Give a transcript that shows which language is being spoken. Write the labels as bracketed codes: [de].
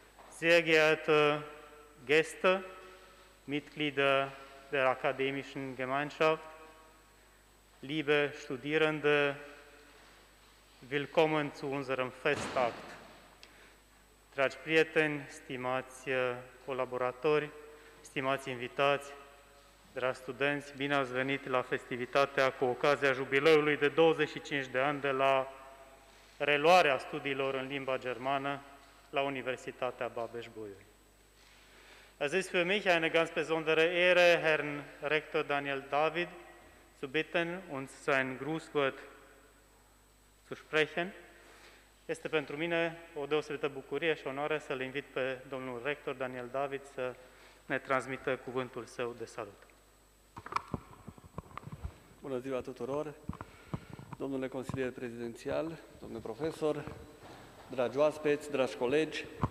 [de] Sehr geehrte Gäste, Mitglieder der akademischen Gemeinschaft, liebe Studierende, willkommen zu unserem Festakt. [ro] Dragi prieteni, stimați colaboratori, stimați invitați, dragi studenți, bine ați venit la festivitatea cu ocazia jubileului de 25 de ani de la reluarea studiilor în limba germană la Universitatea Babeș-Bolyai. [de] Es ist für mich eine ganz besondere Ehre, Herrn Rektor Daniel David zu bitten, uns sein Grußwort zu sprechen. [ro] Este pentru mine o deosebită bucurie și onoare să-l invit pe domnul rector Daniel David să ne transmită cuvântul său de salut. Bună ziua tuturor, domnule consilier prezidențial, domnule profesor, dragi oaspeți, dragi colegi.